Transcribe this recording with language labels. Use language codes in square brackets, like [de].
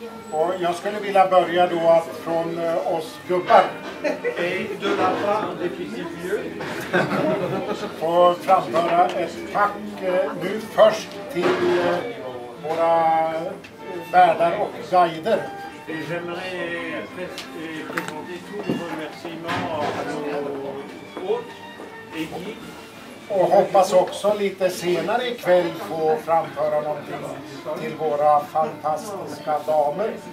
[sv] Och jag skulle vilja börja då att från oss gubbar. [fr] Et de la part des plus vieux. [sv] Och framföra ett tack nu först till våra värdar och guider. [fr] Et j'aimerais présenter tous les remerciements à nos hôtes et guides. [sv] Och hoppas också lite senare ikväll få framföra någonting till våra fantastiska damer.